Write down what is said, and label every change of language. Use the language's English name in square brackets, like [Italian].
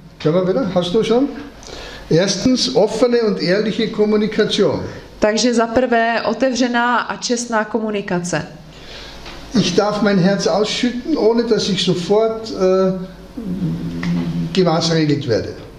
[German] Können wir wieder? Hast du schon? Erstens offene und ehrliche Kommunikation. [Czech] Takže za prvé otevřená a čestná komunikace. [German] Ich darf mein Herz ausschütten, ohne dass ich sofort gemaßregelt werde.